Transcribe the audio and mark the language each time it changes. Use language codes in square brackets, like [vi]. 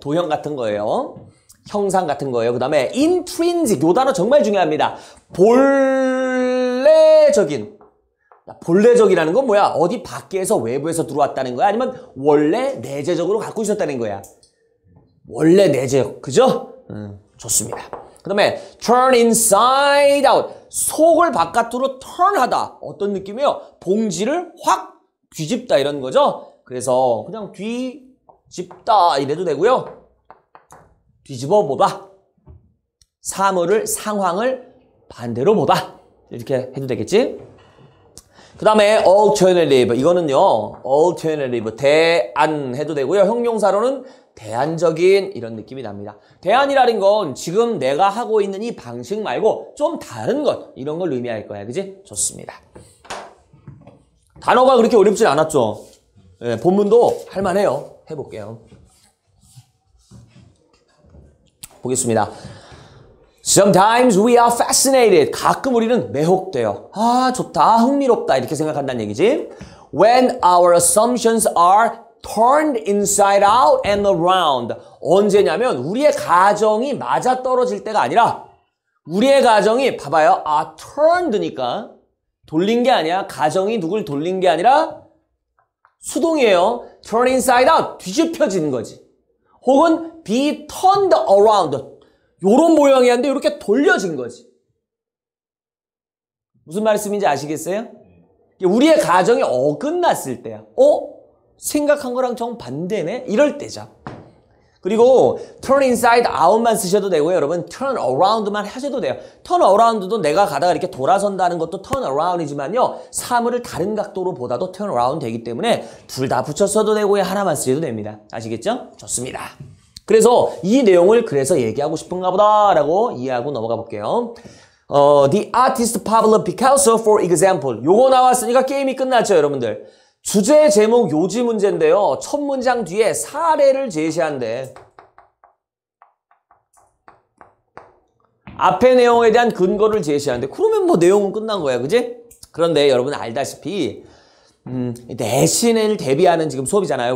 [ko] 도형 같은 거예요. 형상 같은 거예요. 그 다음에 intrinsic. 요 단어 정말 중요합니다. 볼 본래적인. 본래적이라는 건 뭐야? 어디 밖에서 외부에서 들어왔다는 거야? 아니면 원래 내재적으로 갖고 있었다는 거야? 원래 내재적, 그죠? 좋습니다. 그 다음에 turn inside out. 속을 바깥으로 turn하다. 어떤 느낌이에요? 봉지를 확 뒤집다 이런 거죠? 그래서 그냥 뒤집다 이래도 되고요. 뒤집어 보다. 사물을, 상황을 반대로 보다. 이렇게 해도 되겠지? 그 다음에 alternative. 이거는요. alternative. 대안 해도 되고요. 형용사로는 대안적인 이런 느낌이 납니다. 대안이라는 건 지금 내가 하고 있는 이 방식 말고 좀 다른 것, 이런 걸 의미할 거야. 그지? 좋습니다. 단어가 그렇게 어렵진 않았죠? 예, 본문도 할만해요. 해볼게요. 보겠습니다. [en] Sometimes we are fascinated. [ko] 가끔 우리는 매혹돼요. 아, 좋다. 흥미롭다. 이렇게 생각한다는 얘기지. [en] When our assumptions are turned inside out and around. [ko] 언제냐면 우리의 가정이 맞아떨어질 때가 아니라 우리의 가정이, 봐봐요. 아, turned니까 돌린 게 아니야. 가정이 누굴 돌린 게 아니라 수동이에요. turn inside out, 뒤집혀지는 거지. 혹은 be turned around, 요런 모양이었는데 이렇게 돌려진 거지. 무슨 말씀인지 아시겠어요? 우리의 가정이 어긋났을 때야. 어? 생각한 거랑 정반대네? 이럴 때죠. 그리고 turn inside out만 쓰셔도 되고요. 여러분 turn around만 하셔도 돼요. turn around도 내가 가다가 이렇게 돌아선다는 것도 turn around이지만요. 사물을 다른 각도로 보다도 turn around 되기 때문에 둘 다 붙여서도 되고요. 하나만 쓰셔도 됩니다. 아시겠죠? 좋습니다. 그래서 이 내용을 그래서 얘기하고 싶은가 보다라고 이해하고 넘어가 볼게요. [en] The artist Pablo Picasso for example. [ko] 요거 나왔으니까 게임이 끝났죠, 여러분들. 주제 제목 요지 문제인데요. 첫 문장 뒤에 사례를 제시한대. 앞에 내용에 대한 근거를 제시한대. 그러면 뭐 내용은 끝난 거야, 그지? 그런데 여러분 알다시피 내신을 대비하는 지금 수업이잖아요.